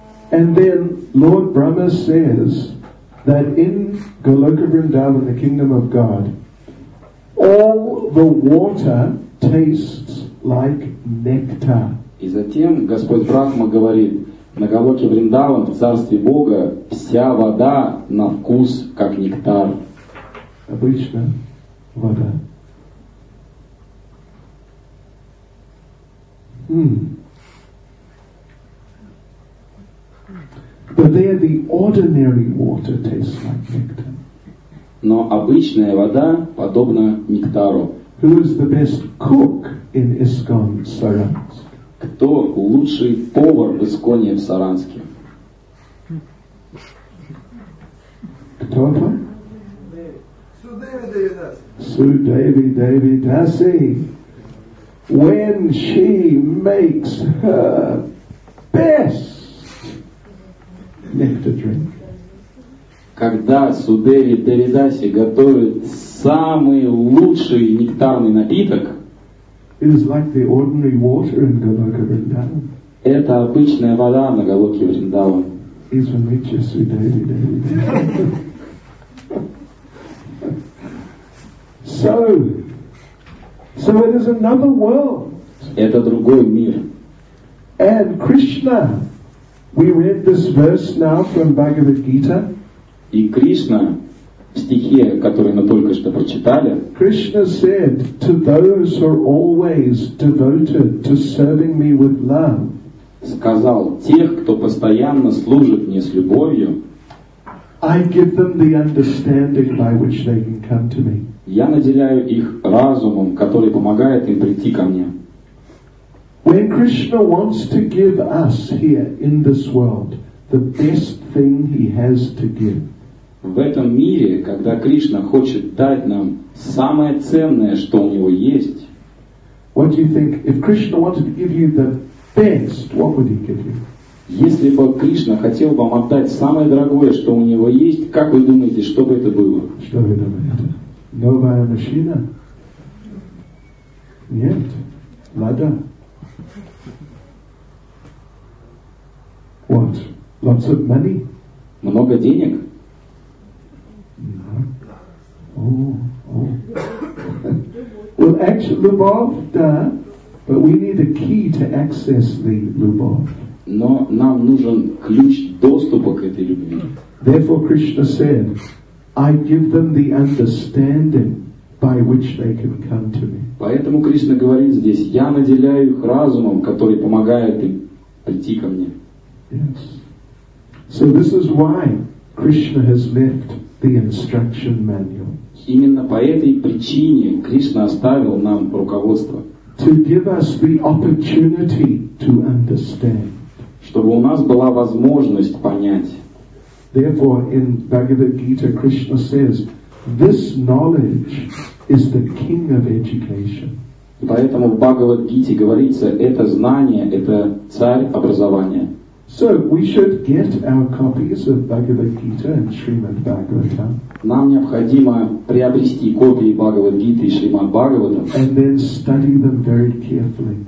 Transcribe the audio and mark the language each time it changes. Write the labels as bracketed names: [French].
[English] And then Lord Brahma says that in Goloka Vrindavan, the kingdom of God, all the water tastes like nectar. [Russian] И затем Господь Брахма говорит, на Голоке Вриндаван, в царстве Бога, вся вода на вкус как нектар. Обычно вода. [English] But there the ordinary water tastes like nectar. [Russian] Но обычная вода подобна нектару. [English] Who is the best cook in ISKCON Saransk? [Russian] Кто лучший повар в ИСККОНе в Саранске? Кто это? Судеви Деви Даси. [English] Судеви Деви Даси. When she makes her best nectar drink. [Russian] Когда Судеви Девидаси готовит самый лучший нектарный напиток, [English] it is like the ordinary water in Goloka Vrindavan. [Russian] Это обычная вода на Голоке Вриндаван. [English] Is for nature Судеви Девидаси. So it is another world. [Russian] Это другой мир. [English] And Krishna. We read this verse now from Bhagavad Gita. [Russian] И Кришна в стихе, который мы только что прочитали. [English] Krishna said to those who are always devoted to serving me with love. [Russian] Сказал тех, кто постоянно служит мне с любовью. [English] I give them the understanding by which they can come to me. [Russian] Я наделяю их разумом, который помогает им прийти ко мне. [English] When Krishna wants to give us here in this world the best thing he has to give. [Russian] В этом мире, когда Кришна хочет дать нам самое ценное, что у него есть, [English] what do you think, if Krishna wanted to give you the best, what would he give you? [Russian] Если бы Кришна хотел вам отдать самое дорогое, что у него есть, как вы думаете, что бы это было? Что вы думаете? Новая машина? Нет. Лада? [English] What? Lots of money? [Russian] Много денег? [English] No. Well, actually, Lubov, [Russian] да. [English] But we need a key to access the Lubov. [Russian] Но нам нужен ключ доступа к этой любви. [English] Therefore Krishna said, I give them the understanding by which they can come to me. [Russian] Поэтому Кришна говорит здесь, я наделяю их разумом, который помогает им прийти ко мне. [English] Yes. So this is why Krishna has left the instruction manual. [Russian] Именно по этой причине Кришна оставил нам руководство. [English] To give us the opportunity to understand. [Russian] Чтобы у нас была возможность понять. [English] Therefore, in Bhagavad Gita, Krishna says, "This knowledge is the king of education." [Russian] Поэтому в Бхагавад Гите говорится, это знание, это царь образования. [English] So we should get our copies of Bhagavad Gita and Srimad Bhagavatam. [Russian] Нам необходимо приобрести копии Бхагавад Гиты и Шримад Бхагаватам. [English] And then study them very carefully.